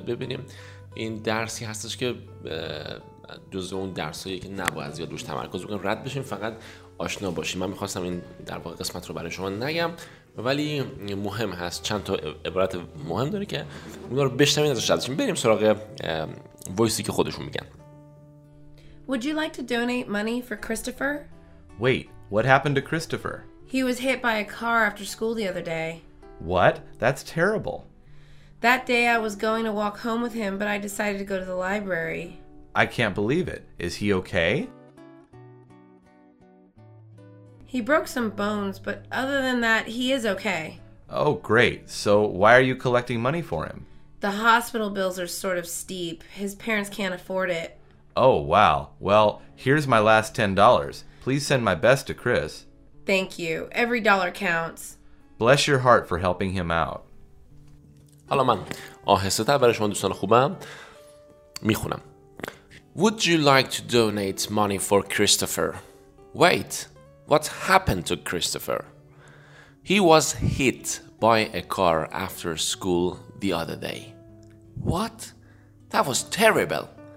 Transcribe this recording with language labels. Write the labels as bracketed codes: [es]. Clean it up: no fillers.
[fa] ببینیم این درسی هستش که جزء اون درسایی که نباید زیاد روش تمرکز بکنیم، رد بشیم، فقط آشنا باشیم. من میخواستم این در واقع قسمت رو برای شما نگم، ولی مهم هست، چند تا عبارت مهم داره که اونا رو بشنویم ازش. بریم سراغ وایسی که خودشون میگن. [en] Would you like to donate money for Christopher? Wait, what happened to Christopher? He was hit by a car after school the other day. What? That's terrible. That day I was going to walk home with him, but I decided to go to the library. I can't believe it. Is he okay? He broke some bones, but other than that, he is okay. Oh, great. So why are you collecting money for him? The hospital bills are sort of steep. His parents can't afford it. Oh, wow. Well, here's my last $10. Please send my best to Chris. Thank you. Every dollar counts. Bless your heart for helping him out. [fa] حالا من آهسته‌تر برای شما دوستان خوبم میخونم. [en] Would you like to donate money for Christopher? Wait, what happened to Christopher? He was hit by a car after school the other day. What? That was terrible.